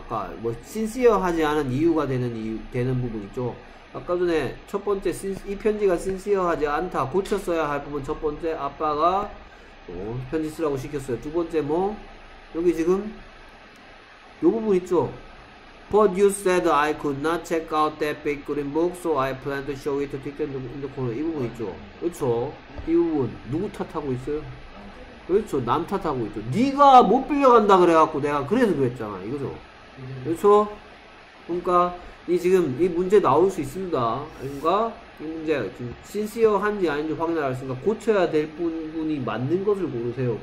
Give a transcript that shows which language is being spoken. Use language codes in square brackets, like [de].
[ko] 아까, 뭐, sincere 하지 않은 이유가 되는, 되는 부분 있죠. 아까 전에, 첫 번째, 이 편지가 sincere 하지 않다. 고쳤어야 할 부분, 첫 번째, 아빠가, 뭐, 편지 쓰라고 시켰어요. 두 번째, 뭐, 여기 지금, 요 부분 있죠. [en] But you said I could not check out that big green book, so I plan to show it to Tickton in the corner. [ko] 이 부분 있죠. 그쵸? 이 부분, 누구 탓하고 있어요? 그렇죠. 남 탓하고 있죠. 네가 못 빌려간다 그래갖고 내가 그래서 그랬잖아. 이거죠. 그렇죠. 그러니까 이 지금 이 문제 나올 수 있습니다. 그러니까 이 문제 지금 sincere 한지 아닌지 확인할 수 있으니까 고쳐야 될 부분이 맞는 것을 고르세요.